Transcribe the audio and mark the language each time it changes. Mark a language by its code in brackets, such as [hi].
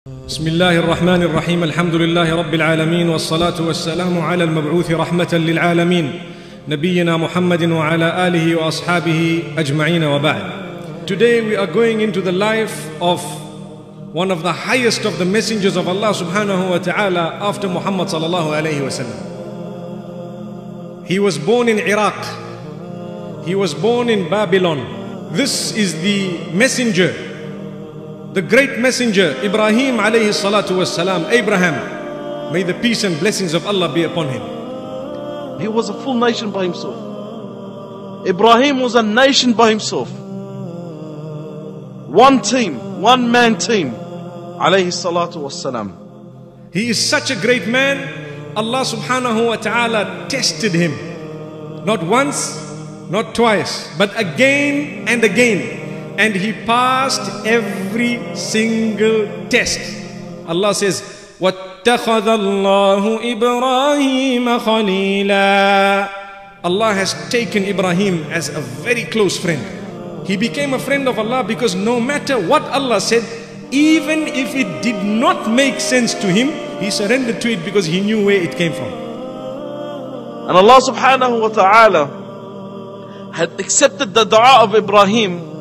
[ar] بسم الله الرحمن الرحيم الحمد لله رب العالمين والصلاة والسلام على المبعوث رحمة للعالمين نبينا محمد وعلى آله وأصحابه أجمعين وبعد. [en] Today we are going into the life of one of the highest of the messengers of Allah subhanahu wa ta'ala after Muhammad sallallahu alayhi wa sallam. He was born in Iraq. He was born in Babylon. This is the messenger, the great messenger, Ibrahim alayhi salatu was salam, Abraham. May the peace and blessings of Allah be upon him. He was a full nation by himself. Ibrahim was a nation by himself. One team, one man team, alayhi salatu was salam. He is such a great man, Allah subhanahu wa ta'ala tested him. Not once, not twice, but again and again. And he passed every single test. [ar] Allah says, وَاتَّخَذَ اللَّهُ إِبْرَاهِيمَ خَلِيلًا. [en] Allah has taken Ibrahim as a very close friend. He became a friend of Allah because no matter what Allah said, even if it did not make sense to him, he surrendered to it because he knew where it came from. And Allah subhanahu wa ta'ala had accepted the dua of Ibrahim.